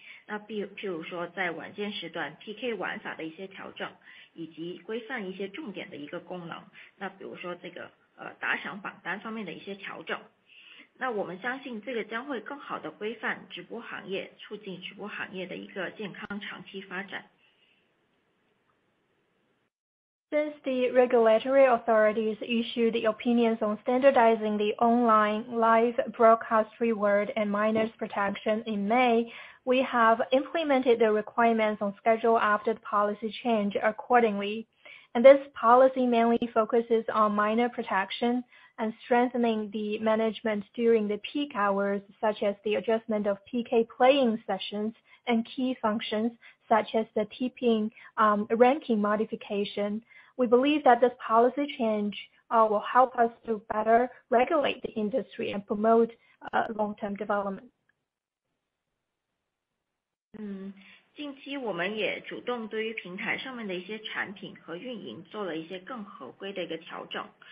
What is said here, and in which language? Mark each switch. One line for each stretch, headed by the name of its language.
Chinese: 那在这个意见发布之后呢，我们已经根据指导的要求，如期进行了一个落实。那这次的政策主要是在关注未成年保护，以及加强高峰时段的一些直播方面的管理。那譬如说在晚间时段 PK 玩法的一些调整，以及规范一些重点的一个功能。那比如说这个打赏榜单方面的一些调整。
English: Since the regulatory authorities issued the opinions on standardizing the online live broadcast reward and minors protection in May, we have implemented the requirements on schedule after the policy change accordingly. And this policy mainly focuses on minor protection and strengthening the management during the peak hours, such as the adjustment of PK playing sessions and key functions, such as the tipping ranking modification. We believe that this policy change will help us to better regulate the industry and promote long-term development.
Chinese: 近期我们也主动对于平台上面的一些产品和运营做了一些更合规的一个调整。